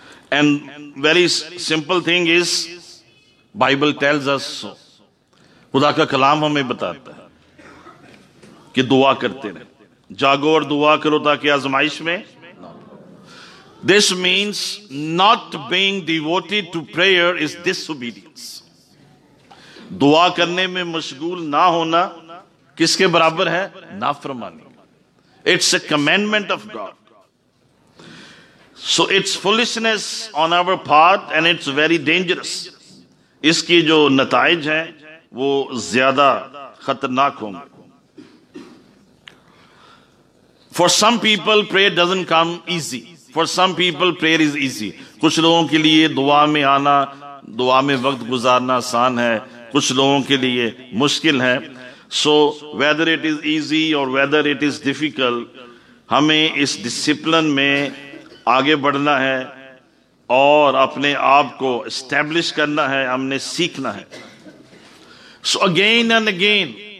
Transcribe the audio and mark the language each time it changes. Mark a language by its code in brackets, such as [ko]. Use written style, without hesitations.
[en] And very simple thing is, Bible tells us so. [ur] خدا کا کلام ہمیں بتاتا ہے کہ دعا کرتے رہیں، جاگو اور دعا کرو تاکہ آزمائش میں. [en] This means not being devoted to prayer is disobedience. [ur] دعا کرنے میں مشغول نہ ہونا کس کے برابر ہے؟ نافرمانی. [en] It's a commandment of God. So it's foolishness on our part and it's very dangerous. [ur] اس کی جو نتائج ہیں وہ زیادہ خطرناک ہوں گے. [en] For some people prayer doesn't come easy. For some people prayer is easy. [ur] کچھ لوگوں کے لیے دعا میں آنا، دعا میں وقت گزارنا آسان ہے، کچھ لوگوں کے لیے مشکل ہے. [en] So whether it is easy or whether it is difficult, [ur] ہمیں اس ڈسپلن میں آگے بڑھنا ہے اور اپنے آپ کو اسٹیبلش کرنا ہے، ہم نے سیکھنا ہے. [en] So again and again